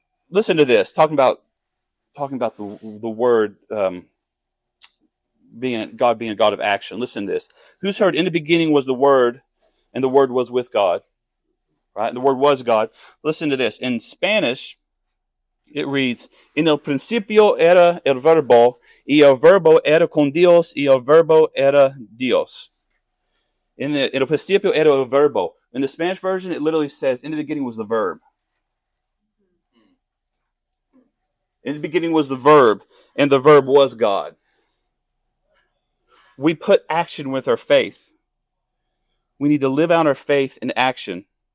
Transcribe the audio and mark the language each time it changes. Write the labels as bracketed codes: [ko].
[en] Listen to this. Talking about the word being a God of action. Listen to this. Who's heard, in the beginning was the Word, and the Word was with God? Right? And the Word was God. Listen to this. In Spanish, it reads, [es] en el principio era el verbo, y el verbo era con Dios, y el verbo era Dios. En el principio era el verbo. [en] In the Spanish version, it literally says, in the beginning was the verb. In the beginning was the verb, and the verb was God. We put action with our faith. We need to live out our faith in action.